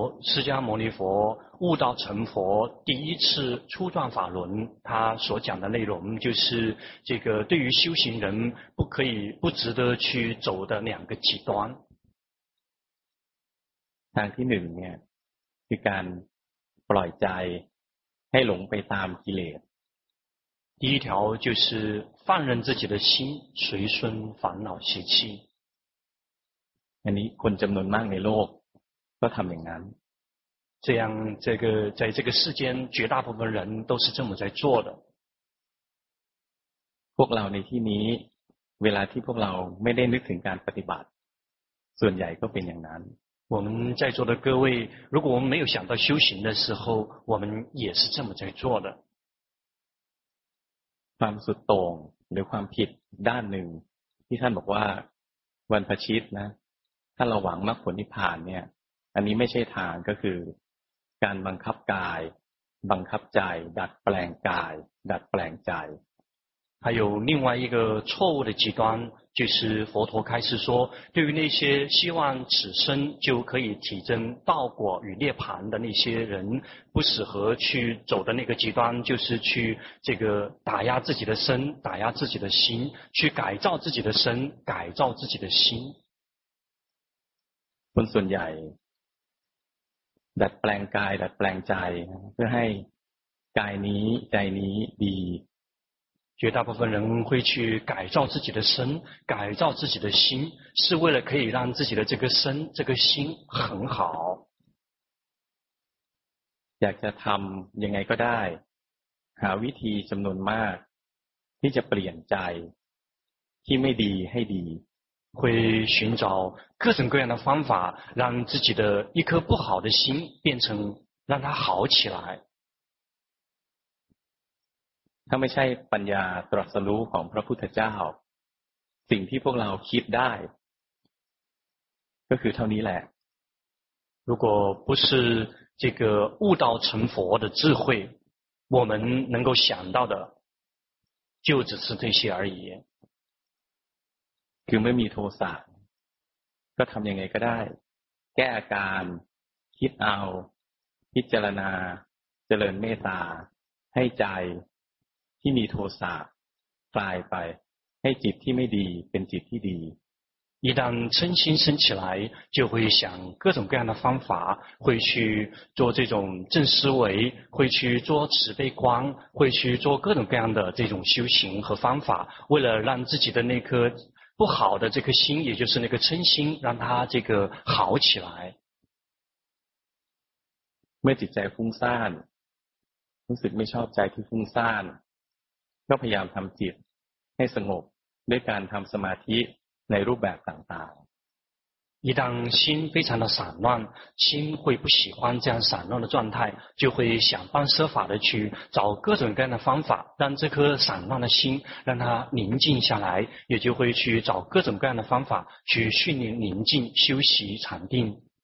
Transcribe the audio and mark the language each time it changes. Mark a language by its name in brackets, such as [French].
[Chinese] 释迦牟尼佛悟道成佛第一次初转法轮他所讲的内容就是这个对于修行人不可以不值得去走的两个极端 [Thai] ทางที่หนึ่งเนี่ยคือการปล่อยใจให้หลงไปตามกิเลส [Chinese] 第一条就是放任自己的心随顺烦恼习气 [Thai] อันนี้คนจำนวนมากในโลกก็ทำอย่างนั้น [Chinese] 这样这个在这个世间绝大部分人都是这么在做的 [Thai] พวกเราในที่นี้เวลาที่พวกเราไม่ได้นึกถึงการปฏิบัติส่วนใหญ่ก็เป็นอย่างนั้น [Chinese] 我们在座的各位如果我们没有想到修行的时候我们也是这么在做的 [Thai] ความสุดโต่งหรือความผิดด้านหนึ่งที่ท่านบอกว่าวันพชิตนะถ้าเราหวังมรรคผลนิพพานเนี่ยอันนี้ไม่ใช่ทางก็คือการบังคับกายบังคับใจดัดแปลงกายดัดแปลงใจ [Chinese] 还有另外一个错误的极端就是佛陀开始说，对于那些希望此生就可以体证道果与涅槃的那些人，不适合去走的那个极端，就是去这个打压自己的身，打压自己的心，去改造自己的身，改造自己的心。 [Thai] คนส่วนใหญ่ดัดแปลงกายดัดแปลงใจเพื่อให้กายนี้ใจนี้ดี [Chinese] 绝大部分人会去改造自己的身，改造自己的心，是为了可以让自己的这个身、这个心很好。 [Thai] อยากจะทำยังไงก็ได้หาวิธีจำนวนมากที่จะเปลี่ยนใจที่ไม่ดีให้ดี [Chinese] 会寻找各种各样的方法，让自己的一颗不好的心变成让它好起来。 [Thai] ถ้าไม่ใช่ปัญญาตรัสรู้ของพระพุทธเจ้าสิ่งที่พวกเราคิดได้ก็คือเท่านี้แหละ [Chinese] 如果不是这个悟道成佛的智慧我们能够想到的就只是这些而已 [Thai] คือไม่มีโทสะก็ทำยังไงก็ได้แก้อาการคิดเอาพิจารณาเจริญเมตตาให้ใจที่มีโทสะกลายไปให้จิตที่ไม่ดีเป็นจิตที่ดี [Chinese] 一旦嗔心升起来就会想各种各样的方法会去做这种正思维会去做慈悲观会去做各种各样的这种修行和方法为了让自己的那颗不好的这颗心也就是那个嗔心让它这个好起来 [Thai] เมื่อจิตใจฟุ้งซ่านรู้สึกไม่ชอบใจที่ฟุ้งซ่านก็พยายามทำจิตให้สงบด้วยการทำสมาธิในรูปแบบต่าง [Chinese] ๆ一旦心非常的散乱心会不喜欢这样散乱的状态就会想方设法的去找各种各样的方法让这颗散乱的心让它宁静下来也就会去找各种各样的方法去训练宁静休息禅定